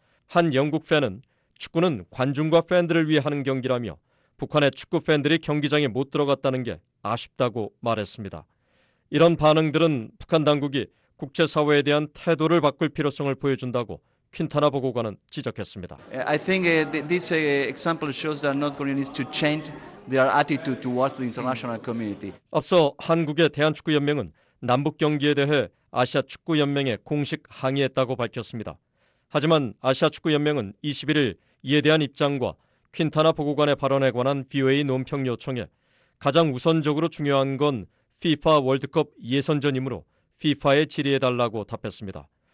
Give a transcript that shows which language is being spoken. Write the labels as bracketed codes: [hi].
[ko] 한 영국 팬은 축구는 관중과 팬들을 위해 하는 경기라며 북한의 축구 팬들이 경기장에 못 들어갔다는 게 아쉽다고 말했습니다. 이런 반응들은 북한 당국이 국제사회에 대한 태도를 바꿀 필요성을 보여준다고 퀸타나 보고관은 지적했습니다. [en] I think this example shows that North Korea needs to change their attitude towards the international community. [ko] 앞서 한국의 대한축구연맹은 남북 경기에 대해 아시아축구연맹에 공식 항의했다고 밝혔습니다. 하지만 아시아축구연맹은 21일 이에 대한 입장과 퀸타나 보고관의 발언에 관한 VOA 논평 요청에 가장 우선적으로 중요한 건 FIFA 월드컵 예선전이므로 FIFA에 질의해달라고 답했습니다.